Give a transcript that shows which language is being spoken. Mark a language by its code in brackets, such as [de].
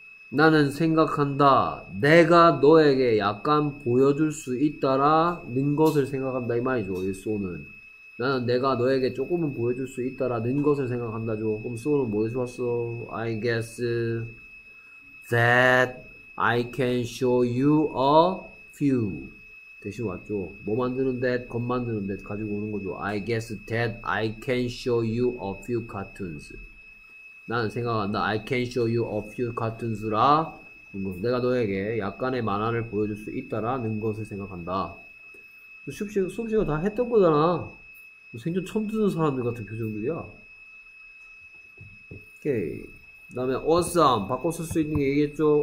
[ko] 나는 생각한다. 내가 너에게 약간 보여줄 수 있다라는 것을 생각한다. 이 말이죠. 이 수호는. 나는 내가 너에게 조금은 보여줄 수 있다라는 것을 생각한다죠. 그럼 수호는 뭐 대신 왔어? [en] I guess that I can show you a few. [ko] 대신 왔죠. 뭐 만드는 that? 겁 만드는 that 가지고 오는 거죠. [en] I guess that I can show you a few cartoons. [ko] 나는 생각한다. [en] I can show you a few cartoons [ko] 라. 내가 너에게 약간의 만화를 보여줄 수 있다라는 것을 생각한다. 수업 시간 다 했던 거잖아. 생전 처음 듣는 사람들 같은 표정들이야. 오케이. 다음에 awesome 바꿔 쓸수 있는 게 얘기했죠.